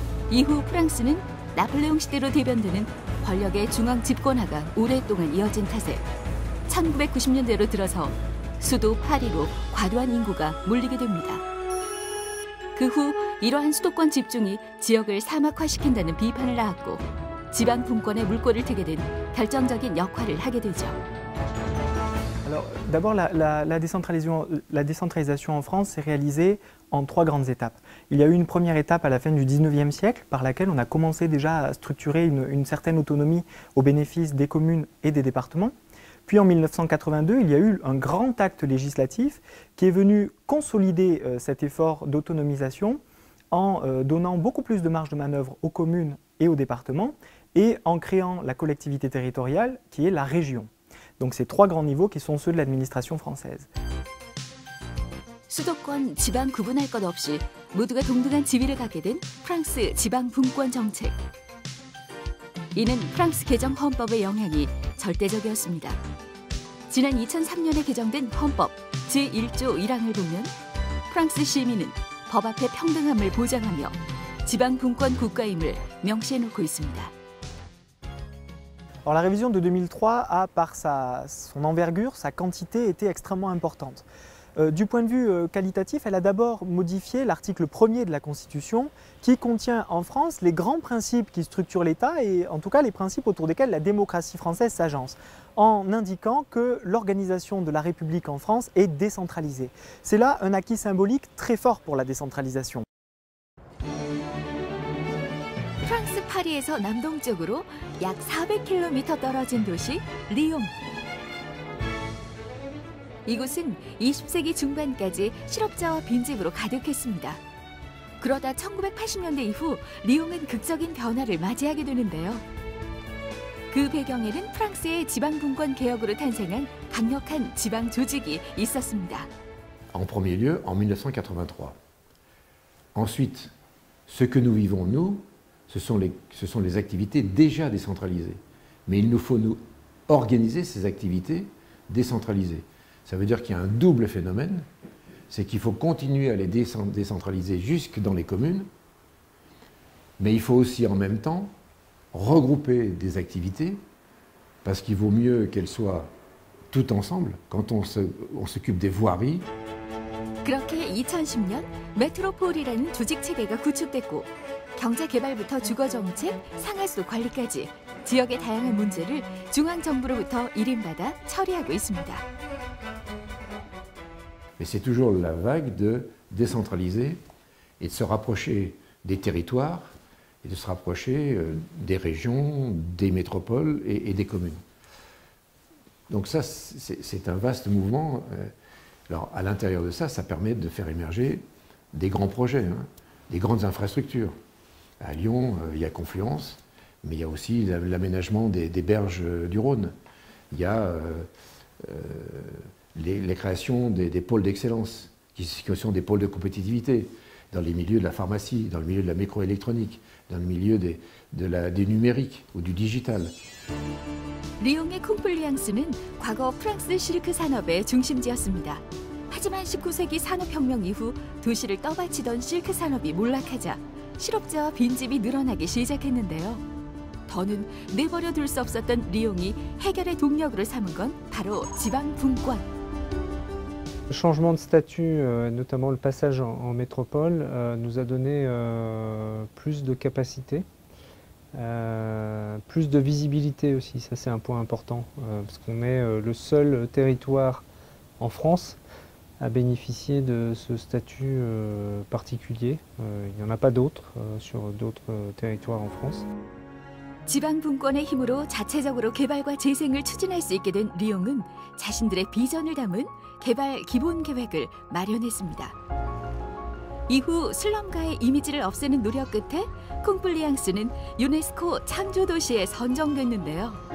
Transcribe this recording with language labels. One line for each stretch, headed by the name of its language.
Korean: 이후 프랑스는 나폴레옹 시대로 대변되는 권력의 중앙 집권화가 오랫동안 이어진 탓에 1990년대로 들어서 수도 파리로 과도한 인구가 몰리게 됩니다. 그 후 이러한 수도권 집중이 지역을 사막화시킨다는 비판을 낳았고 지방 분권의 물꼬를 트게 된 결정적인 역할을 하게 되죠.
French: Alors, d'abord, la décentralisation en France s'est réalisée en trois grandes étapes. Il y a eu une première étape à la fin du 19e siècle par laquelle on a commencé déjà à structurer une certaine autonomie au bénéfice des communes et des départements. Puis en 1982, il y a eu un grand acte législatif qui est venu consolider cet effort d'autonomisation en donnant beaucoup plus de marge de manœuvre aux communes et aux départements et en créant la collectivité territoriale qui est la région. Donc ces trois grands niveaux qui sont ceux de l'administration française.
Korean: 수도권, 지방 구분할 것 없이 모두가 동등한 지위를 갖게 된 프랑스 지방 분권 정책. 이는 프랑스 개정 헌법의 영향이 절대적이었습니다. 지난 2003년에 개정된 헌법 제1조 1항을 보면 프랑스 시민은 법 앞에 평등함을 보장하며 지방 분권 국가임을 명시해 놓고 있습니다.
French: Alors la révision de 2003 a, par son envergure, sa quantité, été extrêmement importante. Du point de vue qualitatif, elle a d'abord modifié l'article 1er de la Constitution, qui contient en France les grands principes qui structurent l'État, et en tout cas les principes autour desquels la démocratie française s'agence, en indiquant que l'organisation de la République en France est décentralisée. C'est là un acquis symbolique très fort pour la décentralisation.
Korean: 파리에서 남동쪽으로 약 400km 떨어진 도시 리옹. 이곳은 20세기 중반까지 실업자와 빈집으로 가득했습니다. 그러다 1980년대 이후 리옹은 극적인 변화를 맞이하게 되는데요. 그 배경에는 프랑스의 지방분권 개혁으로 탄생한 강력한 지방 조직이 있었습니다.
French: En premier lieu, en 1983. Ensuite, ce que nous vivons nous. Ce sont les activités déjà décentralisées. Mais il nous faut nous organiser ses activités décentralisées. Ça veut dire qu'il y a un double phénomène, c'est qu'il faut continuer à les décentraliser jusque dans les communes, mais il faut aussi en même temps regrouper des activités, parce qu'il vaut mieux qu'elles soient toutes ensemble quand on s'occupe des voiries.
Korean: 그렇게 2010년 메트로폴이라는 조직 체계가 구축됐고 경제 개발부터 주거 정책, 상하수도 관리까지 지역의 다양한 문제를 중앙 정부로부터 일임받아 처리하고 있습니다.
French: Mais c'est toujours la vague de décentraliser et de se rapprocher des territoires et de se rapprocher des régions, des métropoles et des communes. Donc ça, c'est un vaste mouvement. Alors, à l'intérieur de ça, ça permet de faire émerger des grands projets, hein, des grandes infrastructures. À Lyon, il y a Confluence, mais il y a aussi l'aménagement des berges du Rhône. Il y a les créations des pôles d'excellence, qui sont des pôles de compétitivité, dans les milieux de la pharmacie, dans le milieu de la microélectronique, dans le milieu des numériques ou du digital.
Korean: 리옹의 콩플루앙스는 과거 프랑스 실크 산업의 중심지였습니다. 하지만 19세기 산업혁명 이후 도시를 떠받치던 실크 산업이 몰락하자 실업자와 빈집이 늘어나기 시작했는데요. 더는 내버려 둘 수 없었던 리옹이 해결의 동력으로 삼은 건 바로 지방 분권.
French: Changement de statut, notamment le passage en métropole, nous a donné plus de capacité. Plus de visibilité aussi, ça c'est un point important, parce qu'on est le seul territoire en France à bénéficier de ce statut particulier. Il n'y en a pas d'autres sur d'autres territoires en France.
Korean: 지방 분권의 힘으로 자체적으로 개발과 재생을 추진할 수 있게 된 리옹은 자신들의 비전을 담은 개발 기본 계획을 마련했습니다. 이후 슬럼가의 이미지를 없애는 노력 끝에 콩플리앙스는 유네스코 창조도시에 선정됐는데요.